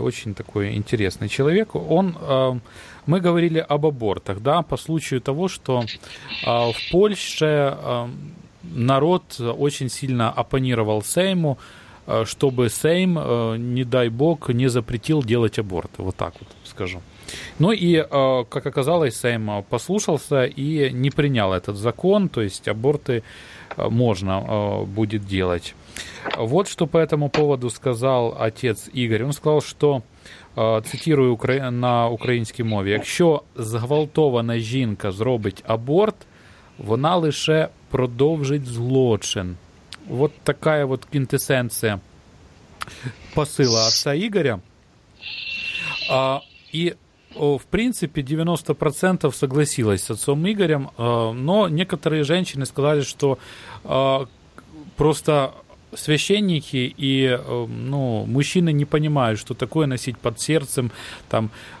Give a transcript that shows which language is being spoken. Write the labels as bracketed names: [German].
[Russian] Очень такой интересный человек. Он, мы говорили об абортах, да, по случаю того, что в Польше народ очень сильно оппонировал Сейму, чтобы Сейм, не дай бог, не запретил делать аборты. Вот так вот скажу. Ну и, как оказалось, Сейм послушался и не принял этот закон, то есть аборты можно будет делать. Вот что по этому поводу сказал отец Игорь. Он сказал, что, [Ukrainian] цитирую на українській мові, якщо зґвалтована жінка зробить аборт, вона лише продовжить злочин. [Russian] Вот такая вот [Ukrainian] квінтесенція посила [Russian] отца Игоря. [Ukrainian] І, в принципі, [Russian] 90% согласилась з отцом Игорем, но некоторые женщины сказали, что просто священники и, ну, мужчины не понимают, что такое носить под сердцем там